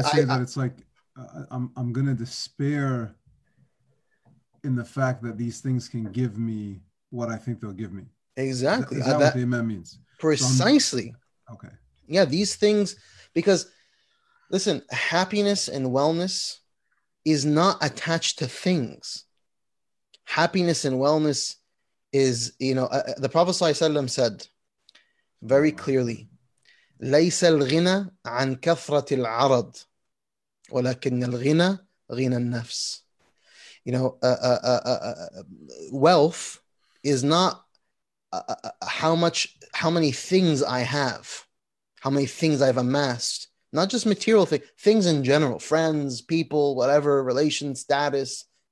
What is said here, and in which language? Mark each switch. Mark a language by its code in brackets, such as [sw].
[en] I'm going to despair in the fact that these things can give me what I think they'll give me. Exactly. Is that what the Imam means? Precisely. So okay. Yeah, these things, because listen, happiness and wellness is not attached to things. Happiness and wellness is, the Prophet ﷺ said very clearly, [ar] لَيْسَ الْغِنَى عَنْ كَثْرَةِ الْعَرَضِ وَلَكِنَّ الْغِنَى غِنَى النَّفْسِ. [en] You know, wealth is not how many things I have, how many things I've amassed, not just material things in general, friends, people, whatever, relations, status.